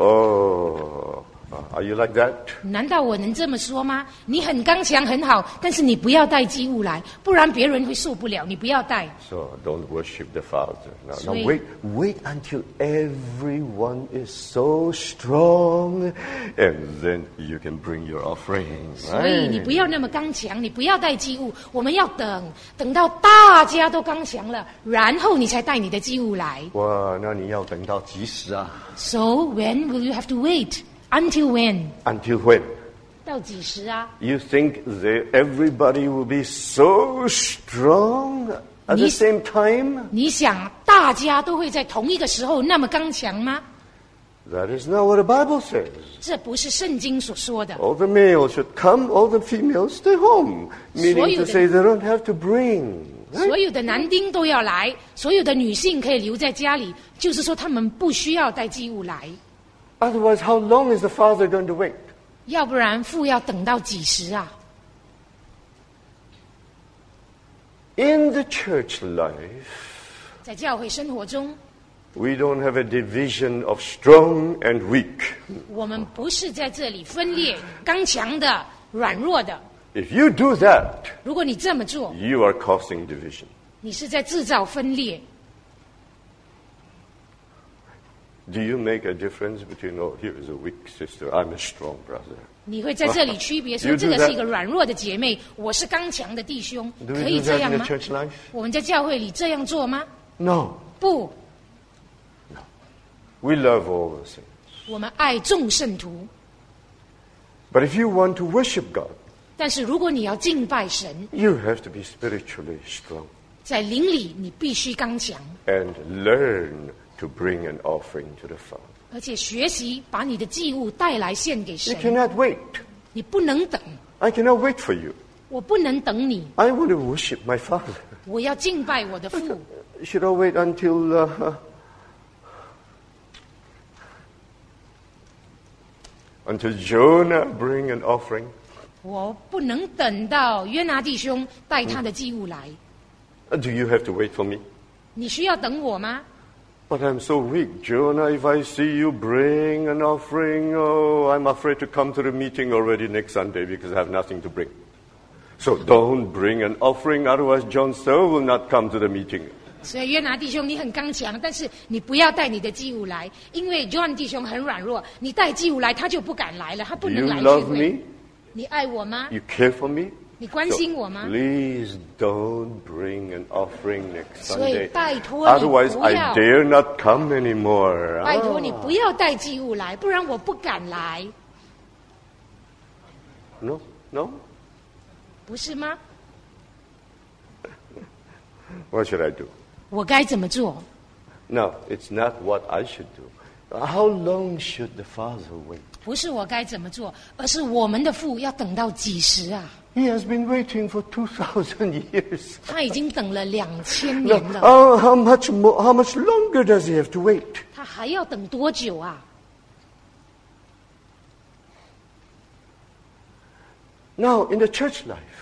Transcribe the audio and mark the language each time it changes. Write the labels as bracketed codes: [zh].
[en] Oh, look, are you like that? [zh] 难道我能这么说吗？你很刚强，很好，但是你不要带祭物来，不然别人会受不了，你不要带。 [en] So, don't worship the Father. Now wait until everyone is so strong, and then you can bring your offering. [zh] 所以你不要那么刚强，你不要带祭物，我们要等到大家都刚强了，然后你才带你的祭物来。哇，那你要等到几时啊？ [en] So, when will you have to wait? Until when? Until when? [zh] 到几时啊? [en] You think that everybody will be so strong at the same time? [zh] 你想大家都会在同一个时候那么刚强吗? [en] That is not what the Bible says. [zh] 这不是圣经所说的。 [en] All the males should come, all the females stay home. Meaning to say they don't have to bring. [zh] 所有的男丁都要来，所有的女性可以留在家里，就是说他们不需要带祭物来。 [en] Otherwise, how long is the father going to wait? [zh] 要不然父要等到几时啊? [en] In the church life, [zh] 在教会生活中, [en] we don't have a division of strong and weak. [zh] 我们不是在这里分裂刚强的、软弱的。 [en] If you do that, [zh] 如果你这么做, [en] you are causing division. [zh] 你是在制造分裂。 [en] Do you make a difference between, oh, here is a weak sister, I'm a strong brother? [zh] 你会在这里区别说这个是一个软弱的姐妹，我是刚强的弟兄，可以这样吗？我们在教会里这样做吗？ [en] No. [zh] 不。 [en] No. We love all the saints. [zh] 我们爱众圣徒。 [en] But if you want to worship God, [zh] 但是如果你要敬拜神， [en] you have to be spiritually strong. [zh] 在灵里你必须刚强。 [en] And learn. To bring an offering to the Father. [zh] 而且学习把你的祭物带来献给神。 [en] You cannot wait. [zh] 你不能等。 [en] I cannot wait for you. [zh] 我不能等你。 [en] I want to worship my Father. [zh] 我要敬拜我的父。 [en] Should I wait until, until Jonah bring an offering? [zh] 我不能等到约拿弟兄带他的祭物来。 [en] Do you have to wait for me? [zh] 你需要等我吗？ [en] But I'm so weak, Jonah. If I see you bring an offering, oh, I'm afraid to come to the meeting already next Sunday because I have nothing to bring. So don't bring an offering, otherwise John Searle will not come to the meeting. [zh] 所以约拿弟兄你很刚强，但是你不要带你的祭物来，因为 John 弟兄很软弱，你带祭物来他就不敢来了，他不能来聚会。 [en] You love me? [zh] 你爱我吗？ [en] You care for me? [zh] 你关心我吗？ [en] So, please don't bring an offering next Sunday. [zh] 所以拜托你不要。 [en] Otherwise I dare not come anymore. [zh] 拜托你不要带祭物来，不然我不敢来。 [en] No, no? [zh] 不是吗？ [en] What should I do? [zh] 我该怎么做？ [en] No, it's not what I should do. How long should the father wait? [zh] 不是我该怎么做，而是我们的父要等到几时啊？ [en] He has been waiting for 2,000 years. [zh] 他已经等了2000年了。 [en] No, how much longer does he have to wait? [zh] 他还要等多久啊？ [en] Now, in the church life,